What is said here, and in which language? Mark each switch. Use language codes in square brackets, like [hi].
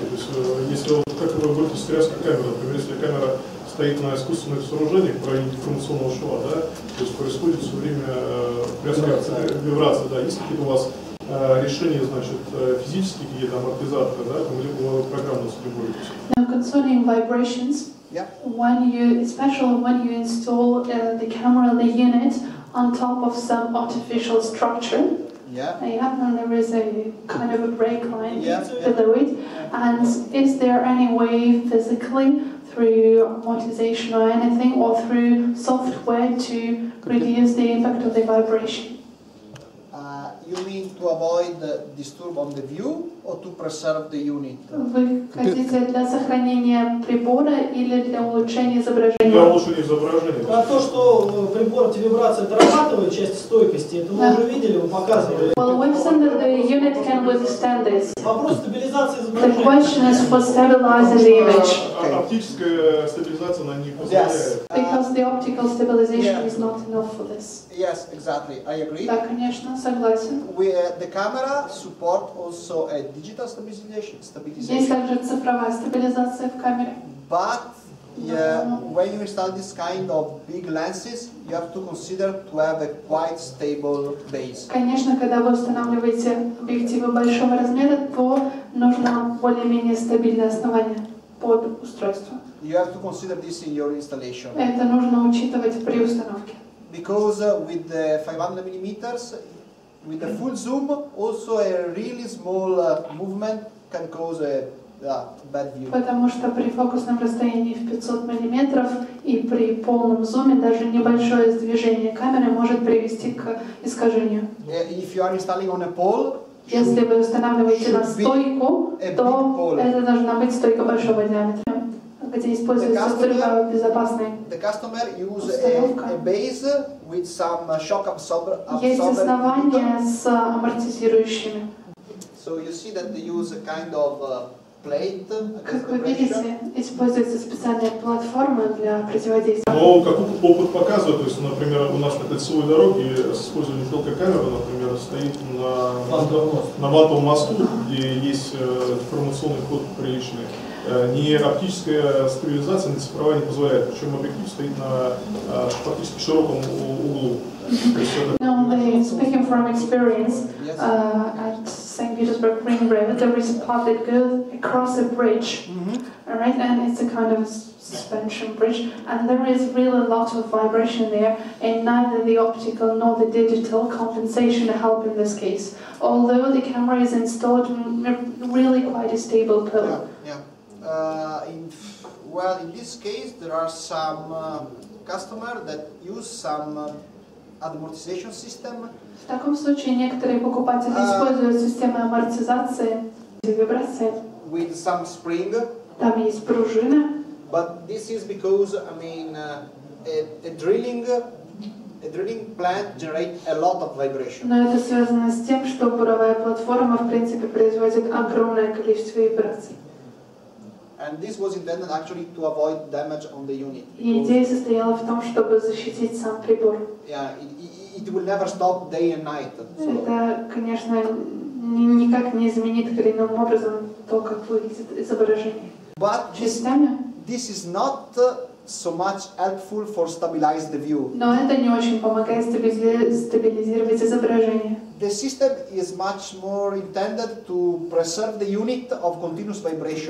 [ru] То есть, если вот, как вы говорите, тряска камеры, например, если камера стоит на искусственных сооружениях, про информационного шва, да, то есть происходит все время тряска, вибрация, да, есть какие-то у вас решения, значит, физические, какие-то амортизаторы, да, там, либо программы с любой. [en] Now concerning vibrations, when you, especially when you install the camera, the unit on top of some artificial structure. There is a kind of a brake line below it. And is there any way physically through amortization or anything or through software to reduce the impact of the vibration? You mean to avoid the disturb on the view or to preserve the unit? [ru] Вы хотите для сохранения прибора или для улучшения изображения? Для улучшения изображения. А то, что прибор эти вибрации дорабатывает часть стойкости, это вы уже видели, вы показывали. [en] Well, we've seen that the unit can withstand this. [ru] Вопрос стабилизации изображения. [en] The question is for stabilizing the image. [ru] Оптическая стабилизация на них позволяет. [en] Because the optical stabilization is not enough for this. Yes, exactly. I agree. [ru] Да, конечно, согласен. [en] The camera support also a digital stabilization. [ru] Есть также цифровая стабилизация в камере. [en] But when you install this kind of big lenses, you have to consider to have a quite stable base. [ru] Конечно, когда вы устанавливаете объективы большого размера, то нужно более-менее стабильное основание под устройство. [en] You have to consider this in your installation. [ru] Это нужно учитывать при установке. [en] Because with the 500 millimeters. With the full zoom, also a really small movement can cause a bad view. [ru] Потому что при фокусном расстоянии в 500 миллиметров и при полном зуме даже небольшое сдвижение камеры может привести к искажению. [en] If you are installing on a pole, [ru] если вы устанавливаете на стойку, то это должна быть стойка большого диаметра, где используется стрелка безопасной. [en] The customer use a base. With some shock absorber. [ru] Есть основания с амортизирующими. [en] So you see that they use a kind of plate. [ru] Как вы видите, используется специальная платформа для противодействия. Но как опыт показывает, то есть, например, у нас на кольцевой дороге с использованием телкокамеры, например, стоит на матовом мосту, где есть информационный ход приличный. Ни оптическая стабилизация, ни цифровая не позволяет, причем объектив стоит на практически широком углу. [en] No, speaking from experience, at St. Petersburg Ring Road, there is a path that goes across a bridge, right? And it's a kind of suspension bridge, and there is really a lot of vibration there, and neither the optical nor the digital compensation help in this case. Although the camera is installed really quite a stable pole. In this case, there are some customer that use some amortization system. [ru] В таком случае некоторые покупатели используют системы амортизации вибрации. [en] With some spring. [ru] Там есть пружина. [en] But this is because I mean a drilling plant generates a lot of vibration. [ru] Но это связано с тем, что буровая платформа в принципе производит огромное количество вибраций. [en] And this was intended actually to avoid damage on the unit. [ru] Идея состояла в том, чтобы защитить сам прибор. [en] Yeah, it will never stop day and night. [ru] Это, конечно, никак не изменит коренным образом то, как выглядит изображение. [en] But this is not so much helpful for stabilize the view. [ru] Но это не очень помогает стабилизировать изображение. [en] The system is much more intended to preserve the unit of continuous vibration.